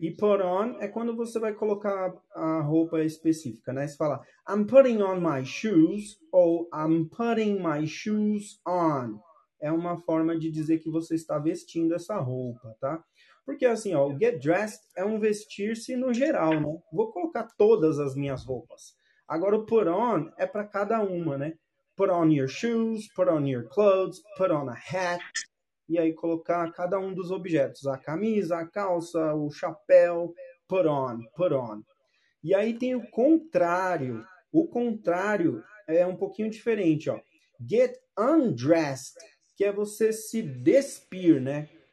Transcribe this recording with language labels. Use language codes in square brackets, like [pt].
[pt] E put on é quando você vai colocar a roupa específica, né? Você fala, [en] I'm putting on my shoes [pt] ou [en] I'm putting my shoes on. [pt] É uma forma de dizer que você está vestindo essa roupa, tá? Porque assim, ó, get dressed é um vestir-se no geral, né? Vou colocar todas as minhas roupas. Agora o put on é para cada uma, né? [en] Put on your shoes, put on your clothes, put on a hat. [pt] E aí colocar cada um dos objetos, a camisa, a calça, o chapéu, put on, put on. E aí tem o contrário. O contrário é um pouquinho diferente, ó. Get undressed, que é você se despir, né?